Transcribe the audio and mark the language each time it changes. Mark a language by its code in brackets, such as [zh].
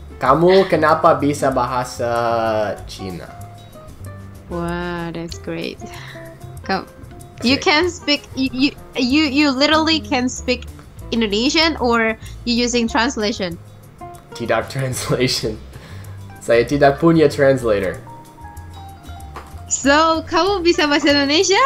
[id] Kamu kenapa bisa bahasa China? [en] Wow, that's great. Come. You can speak, you literally can speak Indonesian, or you're using translation? [id] Tidak translation. Saya tidak punya translator. So, kamu bisa bahasa Indonesia?